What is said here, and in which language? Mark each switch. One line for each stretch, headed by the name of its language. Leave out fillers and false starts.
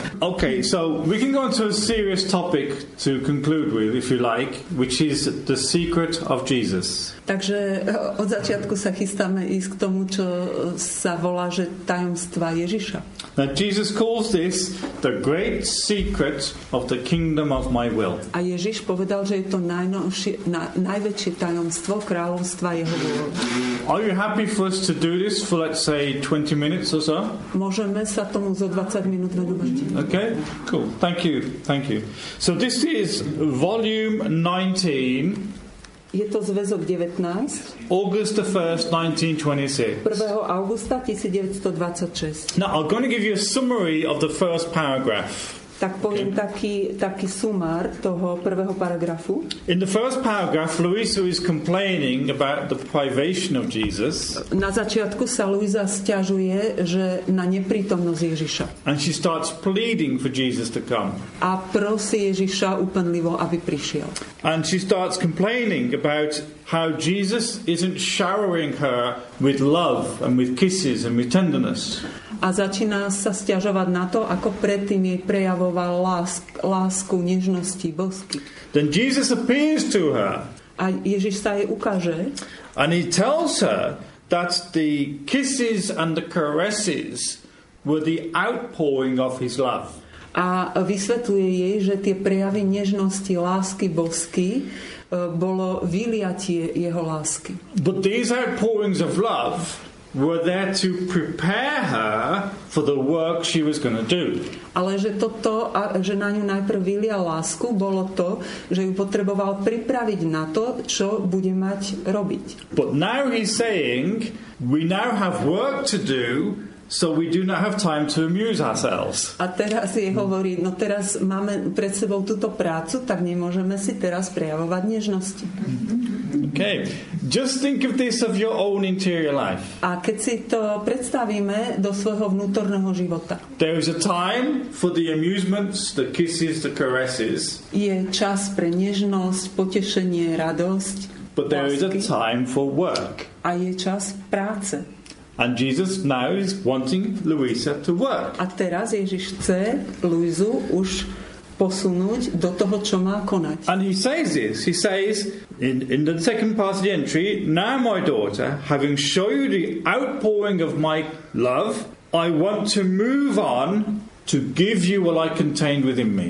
English: Okay, so we can go on to a serious topic to conclude with, if you like, which is the secret of Jesus.
Slovak: Takže od začiatku sa chystáme ísť k tomu, čo sa volá, že tajomstva Ježiša.
English: Now Jesus calls this the great secret of the kingdom of my will.
Slovak: A Ježiš povedal, že je to najväčšie tajomstvo kráľovstva jeho vôle.
English: Are you happy for us to do this for, let's say, 20 minutes or so?
Slovak: Môžeme sa tomu zo 20 minút venovať.
English: Okay, cool. Thank you. So this is volume 19.
Slovak: Je to zväzok 19.
English: August the 1st, 1926.
Slovak: 1. augusta 1926.
English: Now, I'm going to give you a summary of the first paragraph.
Slovak: Tak poviem taký sumár toho prvého paragrafu.
English: In the first paragraph, Luisa is complaining about the privation of Jesus.
Slovak: Na začiatku sa Luisa sťažuje, že na neprítomnosť Ježiša.
English: And she starts pleading for Jesus to come.
Slovak: A prosí Ježiša úpenlivo, aby prišiel.
English: And she starts complaining about how Jesus isn't showering her with love and with kisses and with tenderness.
Slovak: A začína sa sťažovať na to, ako predtým jej prejavoval lásku, nežnosti, bosky.
English: Then Jesus appears to her.
Slovak: A Ježiš sa jej ukáže.
English: And he tells her that the kisses and the caresses were the outpouring of his love.
Slovak: A vysvetluje jej, že tie prejavy nežnosti, lásky, bosky bolo vyliatie jeho lásky.
English: But these outpourings of love were there to prepare her for the work she was going to do.
Slovak: Ale že toto, že na ňu najprv vylial lásku, bolo to, že ju potreboval pripraviť na to, čo bude mať robiť.
English: But now he's saying, we now have work to do, so we do not have time to amuse ourselves.
Slovak: A teraz je hovorí, no teraz máme pred sebou túto prácu, tak nemôžeme si teraz prejavovať nežnosti.
English: Okay, just think of this of your own interior life.
Slovak: A keď si to predstavíme do svojho vnútorného života.
English: There is a time for the amusements, the kisses, the caresses.
Slovak: Je čas pre nežnosť, potešenie, radosť.
English: But there is a time for work.
Slovak: A je čas práce.
English: And Jesus now is wanting Luisa to work.
Slovak: A teraz Ježiš chce Luizu už posunúť do toho, čo má konať.
English: And he says this. He says in the second part of the entry, now my daughter, having shown you the outpouring of my love, I want to move on to give you what I contained within me.